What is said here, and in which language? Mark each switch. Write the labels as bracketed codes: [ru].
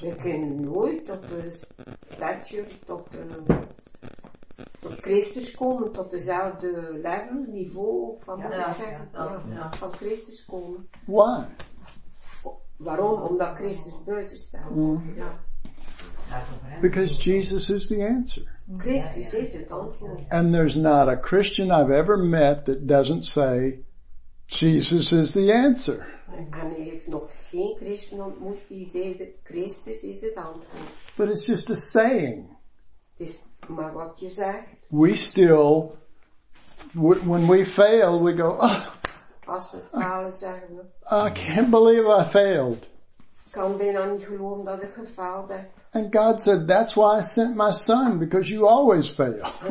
[nl] We kunnen nooit tot de stature, tot Christus komen, tot dezelfde level, niveau van van Christus komen. [en] Why? [nl] Waarom? Omdat Christus buiten staat. Mm-hmm. Ja. [en] Because Jesus is the answer. [nl] Christus is het antwoord. [en] And there's not a Christian I've ever met that doesn't say, Jesus is the answer. [nl] En hij heeft nog geen Christen ontmoet die zegt, Christus is het antwoord. [en] But it's just a saying. [nl] Het is maar wat je zegt. [en] We still, when we fail, we go, oh, [nl] als we falen, zeggen we, [en] I can't believe I failed. [nl] Ik kan bijna niet geloven dat ik gefaald heb. [en] And God said, that's why I sent my son, because you always fail.